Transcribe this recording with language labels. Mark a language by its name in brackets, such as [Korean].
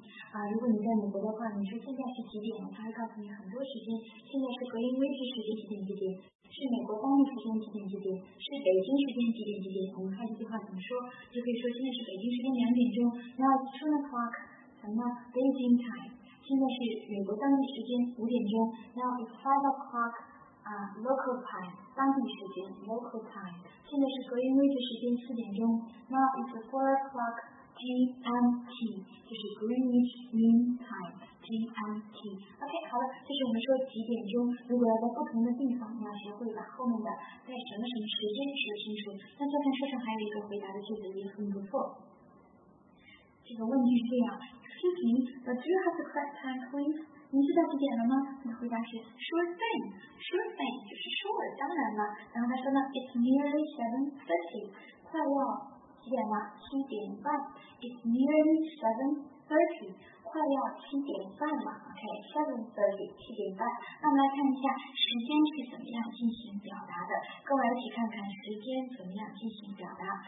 [Chinese] 啊，如果你在美国的话，你说现在是几点？他会告诉你很多时间，现在是格林威治时间几点几点。是美国当地时间几点几点？是北京时间几点几点？我们看这句话怎么说，就可以说现在是北京时间2点钟。 [English] Now it's 2 o'clock， 什么 Beijing time？ [Chinese] 现在是美国当地时间5点钟。 [English] Now it's 5 o'clock， local time， [Chinese] 当地时间 local time。现在是格林威治时间4点钟。 [English] Now it's 4 o'clock， GMT， 就是 Greenwich Mean Time。 [Chinese] GMT， OK， 好了，这是我们说几点钟。如果要在不同的地方，你要学会把后面的在什么什么时间说清楚。那这份书上还有一个回答的句子也很不错。 [English] 这个问句是这样 ：Excuse me, but do you have the correct time, please？ [Chinese] 你知道几点了吗？你回答是 [English] Sure thing, sure thing， [Chinese] 就是 sure， 当然了。然后他说呢 ， [English] It's nearly 7:30， [Chinese] 快要几点了？七点半。 [English] It's nearly 7:30。 [Chinese] 快要七点半了 ，OK， 7:30，七点半。那我们来看一下时间是怎么样进行表达的，跟我一起看看时间怎么样进行表达。